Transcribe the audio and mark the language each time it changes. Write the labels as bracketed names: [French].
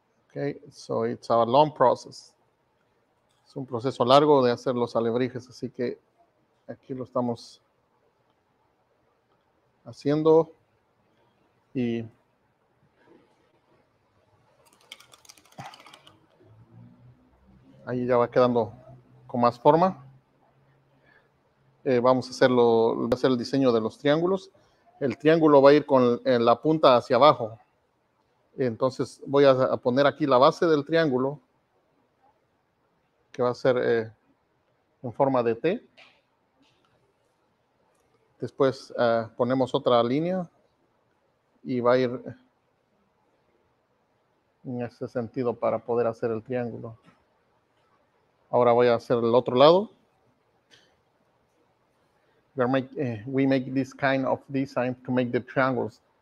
[English] Okay, so it's a long process. [Spanish] Es un proceso largo de hacer los alebrijes, así que aquí lo estamos haciendo. Y ahí ya va quedando con más forma. Vamos a hacer el diseño de los triángulos. El triángulo va a ir con la punta hacia abajo. Entonces voy a poner aquí la base del triángulo, que va a ser en forma de T. Después ponemos otra línea y va a ir en ese sentido para poder hacer el triángulo. Ahora voy a hacer el otro lado. [English] We make this kind of design to make the triangles.